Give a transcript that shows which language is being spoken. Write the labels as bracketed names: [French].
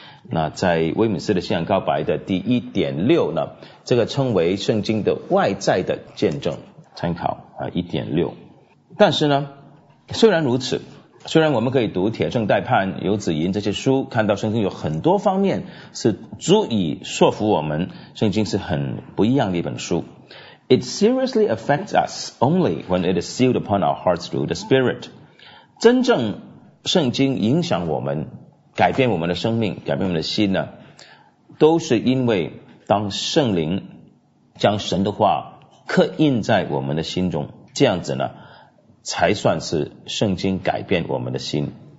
[Chinese] 那在威敏斯的信仰告白的第 1.6 呢，这个称为圣经的外在的见证，参考 1.6。但是呢，虽然如此，虽然我们可以读《铁证待判》《游子吟》这些书，看到圣经有很多方面是足以说服我们，圣经是很不一样的一本书。 [English] It seriously affects us only when it is sealed upon our hearts through the Spirit。 [Chinese] 真正圣经影响我们、改变我们的生命、改变我们的心呢，都是因为当圣灵将神的话刻印在我们的心中，这样子呢，才算是圣经改变我们的心。